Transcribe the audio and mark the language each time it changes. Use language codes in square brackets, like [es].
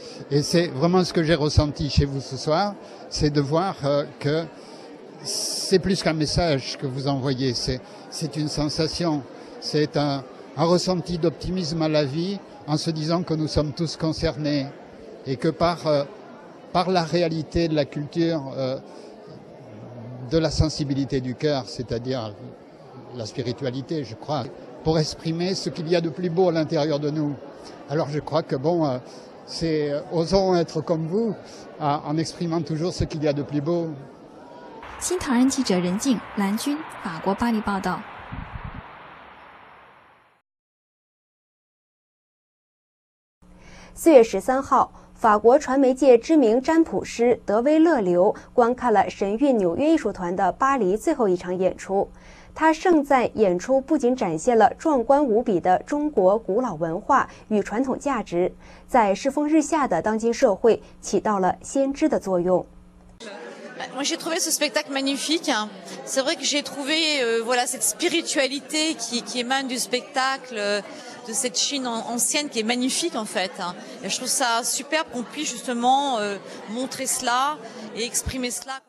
[fr] Et c'est vraiment ce que j'ai ressenti chez vous ce soir, c'est de voir que c'est plus qu'un message que vous envoyez, c'est une sensation, c'est un ressenti d'optimisme à la vie en se disant que nous sommes tous concernés et que par la réalité de la culture, de la sensibilité du cœur, c'est-à-dire... la spiritualité, je crois, pour exprimer ce qu'il y a de plus beau à l'intérieur de nous. Alors je crois que bon, c'est osons être comme vous, en exprimant toujours ce qu'il y a de plus beau. [zh] 新唐人记者任静、蓝军，法国巴黎报道。 4月13号，法国传媒界知名占卜师德威勒流观看了神韵纽约艺术团的巴黎最后一场演出。他盛赞演出不仅展现了壮观无比的中国古老文化与传统价值，在世风日下的当今社会起到了先知的作用。 [fr] Moi, j'ai trouvé ce spectacle magnifique. C'est vrai que j'ai trouvé, voilà, cette spiritualité qui émane du spectacle, de cette Chine ancienne qui est magnifique, en fait. Et je trouve ça superbe qu'on puisse justement montrer cela et exprimer cela.